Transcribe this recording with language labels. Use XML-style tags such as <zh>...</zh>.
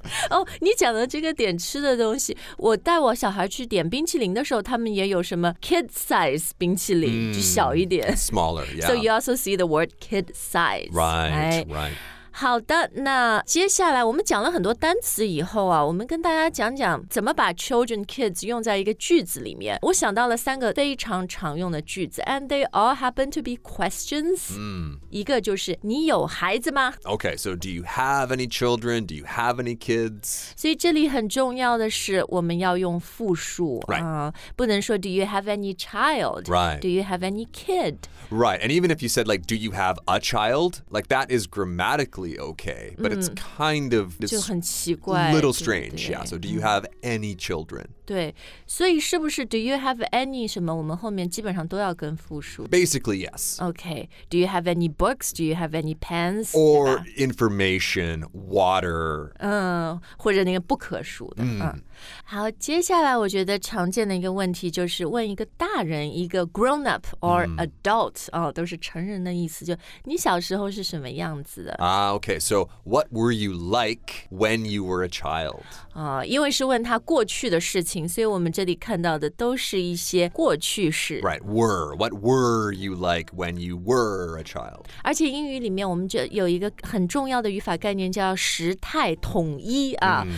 <zh>哦，你讲的这个点吃的东西，我带我小孩去点冰淇淋的时候，他们也有什么</zh> <en>kid size</en> <zh>冰淇淋，就小一点。</zh> <en>Smaller, yeah. So you also see the word kid size. Right.</en> <zh>好的，那接下来我们讲了很多单词以后啊，我们跟大家讲讲怎么把 children, kids 用在一个句子里面。我想到了三个非常常用的句子 ，</zh> <en>and they all happen to be questions.</en> <zh>一个就是你有孩子吗</zh> <en>？Okay, so do you have any children? Do you have any kids?</en> <zh>所以这里很重要的是我们要用复数啊，</zh> <en>right.</en> <zh>不能说</zh> <en>Do you have any child? Right. Do you have any kid? Right. And even if you said like, Do you have a child? Like that is grammatically. Okay, but it's kind of a little strange.</en> <zh>对对</zh> <en>yeah, so do you have any children? 对，所以是不是 do you have any 什么？我们后面基本上都要跟复数。 Basically, yes. Okay, do you have any books? Do you have any pens? Or information, water.</en> <zh>或者那个不可数的。好，接下来我觉得常见的一个问题就是问一个大人，一个</zh> <en>grown up or adult</en> <zh>哦，都是成人的意思。就你小时候是什么样子的？</zh> <en>Okay, so what were you like when you were a child?</en> <zh>因为是问他过去的事情，所以我们这里看到的都是一些过去式。</zh> <en>Right, were. What were you like when you were a child?</en> <zh>而且英语里面我们就有一个很重要的语法概念叫时态统一啊。</zh>